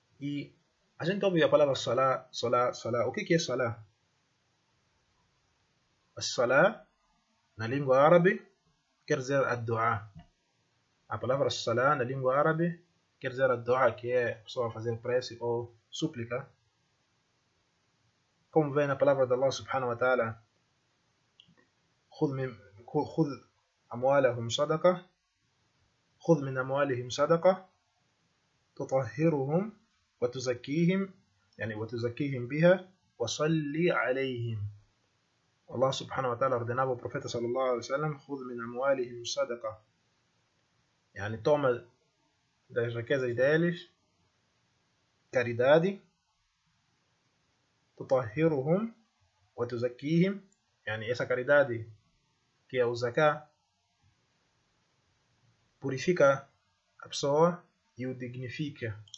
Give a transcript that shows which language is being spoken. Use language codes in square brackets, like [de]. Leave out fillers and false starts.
[pt] E a gente ouve a palavra salá, salá, salá. O que é salá? Salá, na língua árabe, quer dizer ad-du'a. A palavra salá, na língua árabe, quer dizer ad-du'a, que é só fazer prece ou súplica. Como vem na palavra de Allah subhanahu wa ta'ala, [ar] خذ أموالهم صدقة خذ من أموالهم صدقة تطهرهم وتزكيهم يعني وتزكيهم بها وصلي عليهم. الله سبحانه وتعالى [pt] ordenava ao profeta sallallahu alaihi wasallam: [ar] خذ من أموالهم صدقة, [pt] يعني toma das riquezas deles caridade, [ar] تطهرهم وتزكيهم, [pt] يعني essa caridade que é o zakah, purifica a pessoa e o dignifica.